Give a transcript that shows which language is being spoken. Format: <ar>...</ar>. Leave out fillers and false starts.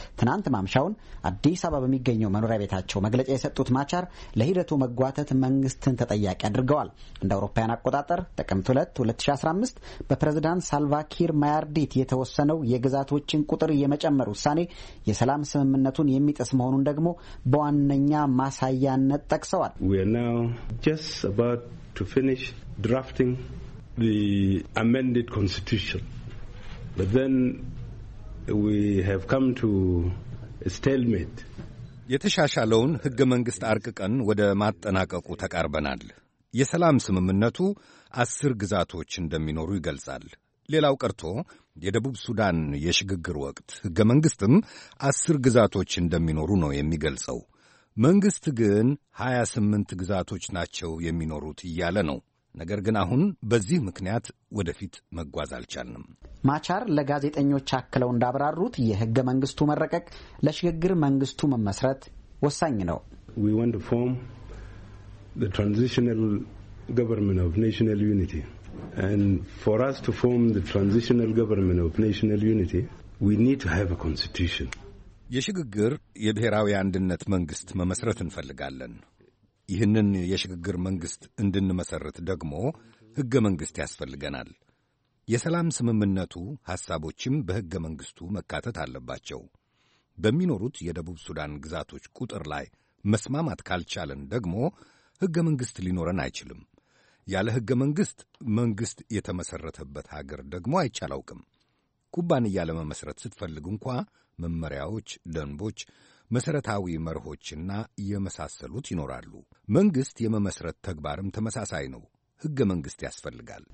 <am>ትናንት ማምሻውን አዲስ አበባ በሚገኘው መኖሪያ ቤታቸው መግለጫ የሰጡት ማቻር ለሂደቱ መጓተት መንግሥትን ተጠያቂ አድርገዋል። እንደ አውሮፓውያን አቆጣጠር ጥቅምት 2 2015 በፕሬዝዳንት ሳልቫኪር ማያርዲት የተወሰነው የግዛቶችን ቁጥር የመጨመር ውሳኔ የሰላም ስምምነቱን የሚጥስ መሆኑን ደግሞ በዋነኛ ማሳያነት ጠቅሰዋል።</am> <en>We are now just about to finish drafting the amended constitution. But then we have come to a stalemate.</en> <am>የተሻሻለውን ሕገ መንግሥት አርቅቀን ወደ ማጠናቀቁ ተቃርበናል። የሰላም ስምምነቱ 10 ግዛቶች እንደሚኖሩ ይገልጻል። ሌላው ቀርቶ የደቡብ ሱዳን የሽግግር ወቅት ሕገ መንግሥትም 10 ግዛቶች እንደሚኖሩ ነው የሚገልጸው። መንግሥት ግን 28 ግዛቶች ናቸው የሚኖሩት እያለ ነው። ነገር ግን አሁን በዚህ ምክንያት ወደፊት መጓዝ አልቻልንም። ማቻር ለጋዜጠኞች አክለው እንዳብራሩት የሕገ መንግሥቱ መረቀቅ ለሽግግር መንግሥቱ መመስረት ወሳኝ ነው።</am> <en>We want to form the transitional government of national unity. And for us to form the transitional government of national unity, we need to have a constitution.</en> <am>የሽግግር የብሔራዊ አንድነት መንግስት መመስረት እንፈልጋለን። ይህንን የሽግግር መንግስት እንድንመሰርት ደግሞ ህገ መንግስት ያስፈልገናል። የሰላም ስምምነቱ ሐሳቦችም በህገ መንግስቱ መካተት አለባቸው። በሚኖሩት የደቡብ ሱዳን ግዛቶች ቁጥር ላይ መስማማት ካልቻለን ደግሞ ህገ መንግስት ሊኖረን አይችልም። ያለ ህገ መንግስት መንግስት የተመሰረተበት ሀገር ደግሞ አይቻለውም። ኩባንያ ለመመስረት ስትፈልጉ እንኳን መመሪያዎች፣ ደንቦች፣ መሰረታዊ መርሆችና የመሳሰሉት ይኖራሉ። መንግስት የመመስረት ተግባርም ተመሳሳይ ነው። ህገ መንግስት ያስፈልጋል።</am>